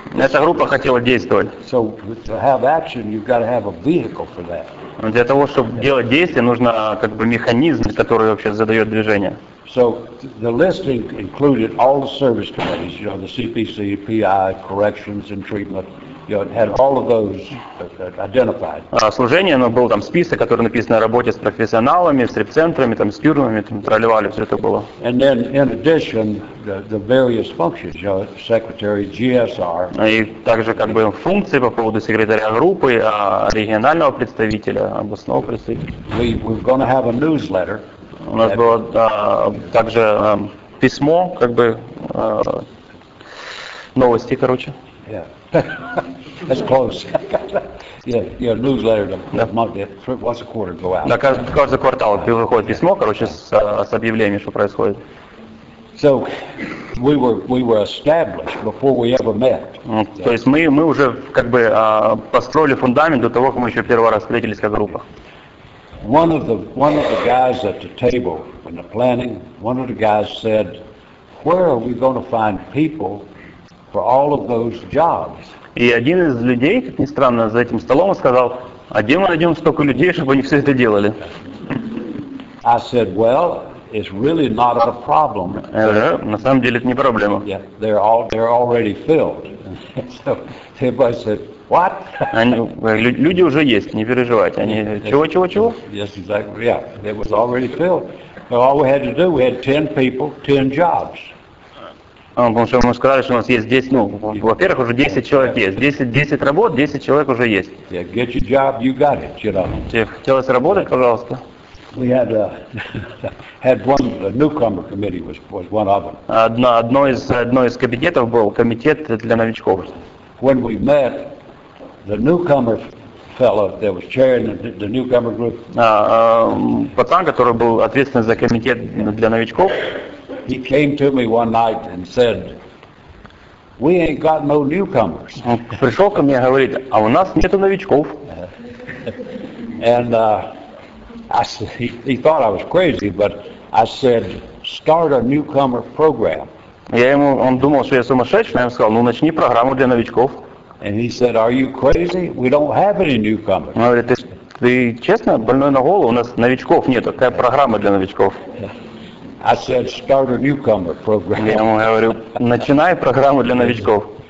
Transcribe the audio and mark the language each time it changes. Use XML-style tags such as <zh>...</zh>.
<ru>Эта группа хотела действовать.</ru> <en>So to have action, you've got to have a vehicle for that.</en> <ru>Для того, чтобы делать действие, нужно, как бы, механизм, который вообще задает движение.</ru> <en>So the listing included all the service committees, you know, the CPC, PI, corrections and treatment. You know, had all of those identified.</en> <ru>Служение, но был там список, который написан о работе с профессионалами, с реп-центрами, там, с тюрьмами, там, проливали, все это было.</ru> <en>And then, in addition, the various functions, you know, secretary, GSR.</en> <ru>И также, как бы, функции по поводу секретаря группы, регионального представителя, областного представителя.</ru> <en>We're going to have a newsletter.</en> <ru>У нас было также письмо, как бы, новости, короче.</ru> <en>Yeah. That's close. Yeah, newsletter. Once a quarter go out.</en> <ru>Да, каждый квартал выходит письмо, короче, с объявлением, что происходит.</ru> <en>So we were established before we ever met.</en> <ru>То есть мы уже, как бы, построили фундамент до того, как мы еще первый раз встретились как группа.</ru> <en>One of the guys at the table in the planning, one of the guys said, where are we going to find people for all of those jobs?</en> <ru>И один из людей, как ни странно, за этим столом сказал: "А где мы найдем столько людей, чтобы они все это делали?"</ru> <en>I said, "Well, it's really not a problem."</en> <ru>На самом деле это не проблема.</ru> <en>Yeah, they're already filled. So everybody said, "What?"</en> <ru>Люди уже есть, не переживайте. Они чего?</ru> <en>Yes, exactly. Yeah, it was already filled. So all we had to do, we had 10 people, 10 jobs.</en> <ru>Потому что мы сказали, что у нас есть 10, во-первых, уже 10 человек есть. 10 работ, 10 человек уже есть.</ru> <en>Yeah, get your job, you got it, you know.</en> <ru>Тебе хотелось работать, пожалуйста?</ru> <en>We had a newcomer committee was one of them.</en> <ru>Одно из кабинетов был комитет для новичков.</ru> <en>When we met, the newcomer fellow that was chairing the newcomer group.</en> <ru>Пацан, который был ответственен за комитет для новичков.</ru> <en>He came to me one night and said, "We ain't got no newcomers."</en> <ru>Пришел ко мне и говорит: "А у нас нету новичков."</ru> <en>And he thought I was crazy, but I said, "Start a newcomer program."</en> <ru>Он думал, что я сумасшедший, но я ему сказал: "Ну, начни программу для новичков."</ru> <en>And he said, "Are you crazy? We don't have any newcomers."</en> <ru>Он говорит: "Ты честно больной на голову? У нас новичков нету. Какая программа для новичков?"</ru> <en>I said, "Start a newcomer program."</en> <ru>Я ему говорю: "Начинай программу для новичков."</ru>